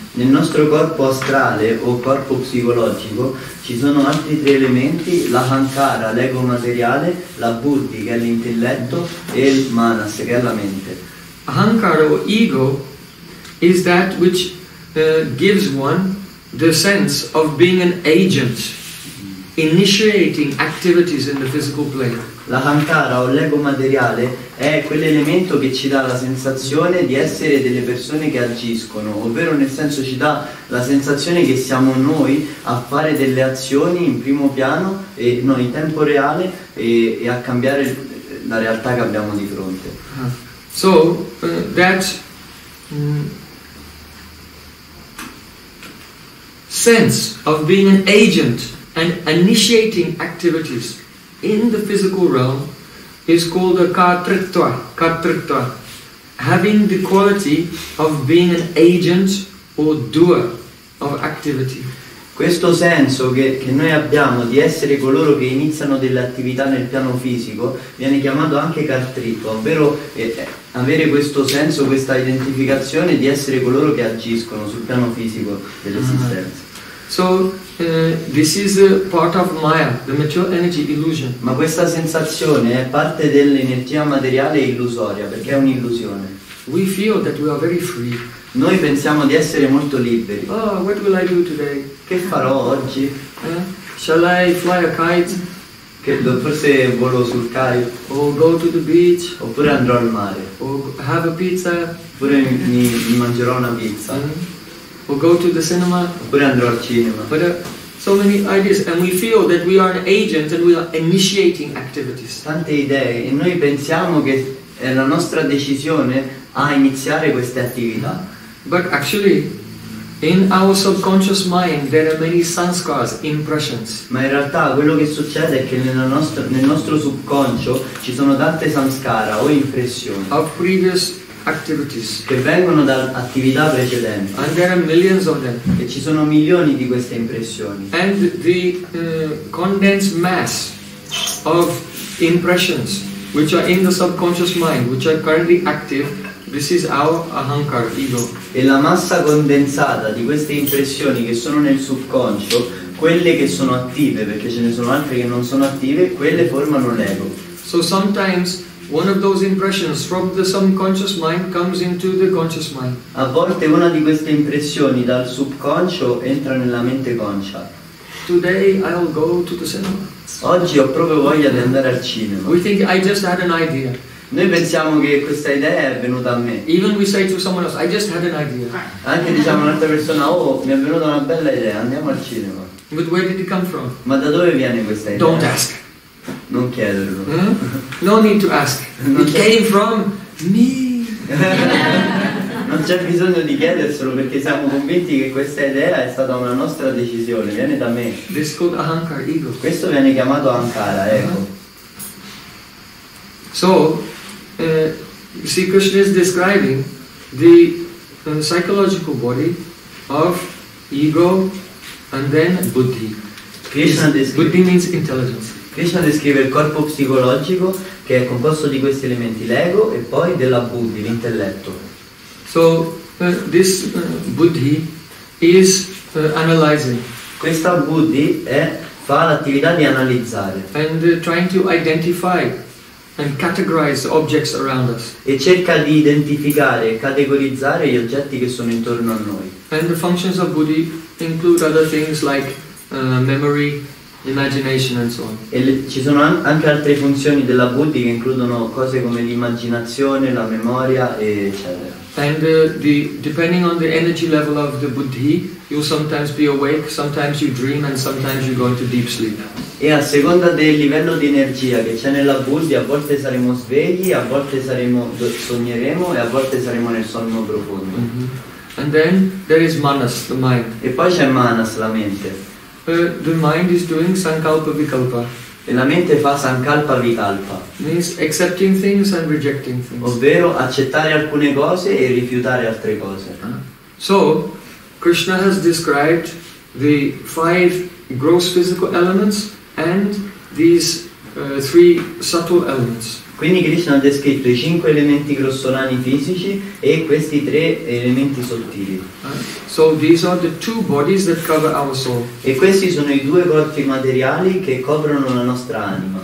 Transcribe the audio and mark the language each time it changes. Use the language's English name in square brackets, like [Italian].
[Italian] Nel nostro corpo astrale o corpo psicologico ci sono altri tre elementi: l'ahankara, l'ego materiale, la buddhi, che è l'intelletto, e il manas, che è la mente. [English] Ahankara o ego is that which gives one the sense of being an agent initiating activities in the physical plane. [Italian] La hankara o l'ego materiale è quell'elemento che ci dà la sensazione di essere delle persone che agiscono, ovvero nel senso ci dà la sensazione che siamo noi a fare delle azioni in primo piano e noi in tempo reale e a cambiare la realtà che abbiamo di fronte. [English] So that sense of being an agent and initiating activities in the physical realm is called a kartritva, kartritva, having the quality of being an agent or doer of activity. [Italian] Questo senso che noi abbiamo di essere coloro che iniziano delle attività nel piano fisico viene chiamato anche kartritva, ovvero avere questo senso, questa identificazione di essere coloro che agiscono sul piano fisico dell'esistenza. [English] So this is a part of Maya, the material energy illusion. [Italian] Ma questa sensazione è parte dell'energia materiale illusoria, perché è un'illusione. [English] We feel that we are very free. [Italian] Noi pensiamo di essere molto liberi. [English] Oh, what will I do today? [Italian] Che farò oggi? [English] Shall I fly a kite? [Italian] Che forse volo sul kite. [English] Or go to the beach. [Italian] Oppure andrò al mare. [English] Or have a pizza. [Italian] Oppure mi mangerò una pizza. [English] Or go to the cinema. [Italian] Oppure andrò al cinema. [English] But so many ideas, and we feel that we are an agent and we are initiating activities. [Italian] Tante idee, e noi pensiamo che è la nostra decisione a iniziare queste attività. [English] But actually, in our subconscious mind, there are many sanskars, impressions. [Italian] Ma in realtà quello che succede è che nel nostro subconscio ci sono tante sanskara o impressioni. [English] Of previous activities. [Italian] Che vengono da attività precedenti. [English] And there are millions of them. [Italian] E ci sono milioni di queste impressioni. [English] And the condensed mass of impressions which are in the subconscious mind, which are currently active, this is our ahankar, ego. [Italian] E la massa condensata di queste impressioni che sono nel subconscio, quelle che sono attive, perché ce ne sono altre che non sono attive, quelle formano l'ego. [English] So sometimes one of those impressions from the subconscious mind comes into the conscious mind. [Italian] A volte una di queste impressioni dal subconscio entra nella mente conscia. [English] Today I will go to the cinema. [Italian] Oggi ho proprio voglia di andare al cinema. [English] We think I just had an idea. [Italian] Noi pensiamo che questa idea è venuta a me. [English] Even we say to someone else, I just had an idea. [Italian] Anche diciamo a un'altra persona, oh, mi è venuta una bella idea, andiamo al cinema. [English] But where did it come from? [Italian] Ma da dove viene questa idea? [English] Don't ask. [Italian] Non chiedere. Mm? [English] No need to ask. Came from me. [Italian] Non c'è bisogno di chiederselo perché siamo convinti che questa idea è stata una nostra decisione, viene da me. [English] This called ahankara, ego. [Italian] Questo viene chiamato ahankara, ecco. [English] So, Sri Krishna is describing the psychological body of ego and then buddhi. Buddhi means intelligence. [Italian] Krishna descrive il corpo psicologico che è composto di questi elementi, l'ego e poi della buddhi, l'intelletto. [English] So this buddhi is analyzing. [Italian] Questa buddhi fa l'attività di analizzare. [English] And trying to identify and categorize objects around us. [Italian] E cerca di identificare e categorizzare gli oggetti che sono intorno a noi. [English] And the functions of buddhi include other things like memory, imagination and so on. [Italian] E ci sono anche altre funzioni della buddhi che includono cose come l'immaginazione, la memoria, eccetera. [English] And depending on the energy level of the buddhi, you'll sometimes be awake, sometimes you dream, and sometimes you go into deep sleep. [Italian] E a seconda del livello di energia che c'è nella buddhi, a volte saremo svegli, a volte sogneremo e a volte saremo nel sonno profondo. [English] Mm-hmm. And then there is manas, the mind. [Italian] E poi c'è manas, la mente. [English] The mind is doing sankalpa vikalpa. [Italian] E la mente fa sankalpa vikalpa. [English] Means accepting things and rejecting things. [Italian] Ovvero accettare alcune cose e rifiutare altre cose. [English] So, Krishna has described the five gross physical elements and these three subtle elements. [Italian] Quindi Krishna ha descritto i cinque elementi grossolani fisici e questi tre elementi sottili. [English] So these are the two bodies that cover our soul. [Italian] E questi sono i due corpi materiali che coprono la nostra anima.